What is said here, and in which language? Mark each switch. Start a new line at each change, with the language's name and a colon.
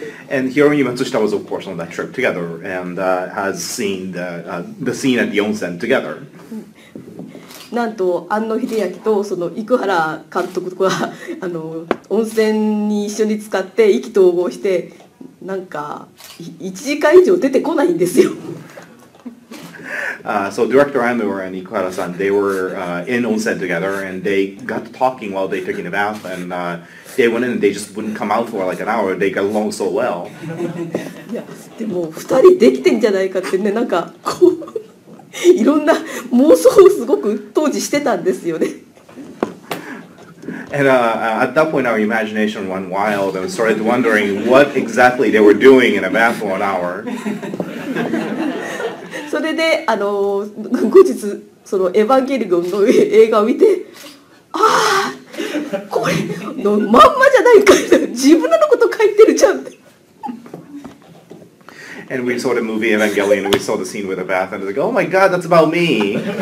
English: And Hiromi Matsushita was, of course, on that trip together and has seen the scene at the onsen together.
Japanese: なんと、安野秀明とその生原監督は温泉に一緒に使って意気投合して、なんか1時間以上出てこないんですよ。
English: So director Anno and Ikuhara-san, they were in onsen together and they got talking while they taking a bath andthey went in and they just wouldn't come out for like an hour. They got along so well.
Japanese: いや、でも二人できてんじゃないかってね、なんかこういろんな妄想をすごく当時してたんですよね。
English: And at that point, our imagination went wild and started wondering what exactly they were doing in a bath for an hour.
Japanese: それで後日そのエヴァンゲリオンの映画を見て、ああ。これのまんまじゃないか、自分のこと書いてるじゃん。
English: And we saw the movie Evangelion, we saw the scene with the bath, and we're like, oh my god, that's about me.